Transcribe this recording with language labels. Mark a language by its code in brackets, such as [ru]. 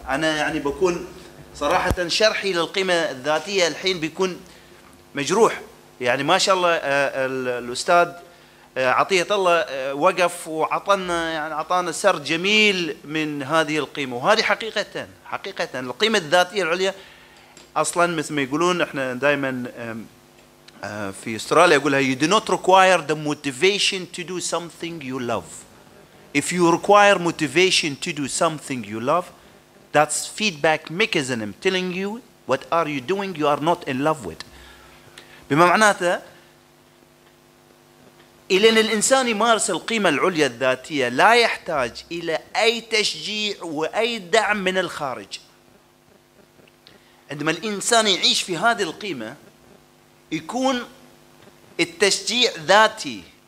[ar] أنا يعني بكون صراحة شرحي للقيمة الذاتية الحين بيكون مجروح، يعني ما شاء الله الأستاذ عطية الله وقف وعطانا يعني عطانا سرد جميل من هذه القيمة، وهذه حقيقة حقيقة القيمة الذاتية العليا. أصلا مثل ما يقولون إحنا دائما في أستراليا يقولها [en] you do not require the motivation to do something you love. If you require motivation to do something you love, that's feedback mechanism telling you what are you doing you are not in love with. [ar] بما معناته إلى أن الإنسان يمارس القيمة العليا الذاتية لا يحتاج إلى أي تشجيع وأي دعم من الخارج. عندما الإنسان يعيش في هذه القيمة يكون التشجيع ذاتي.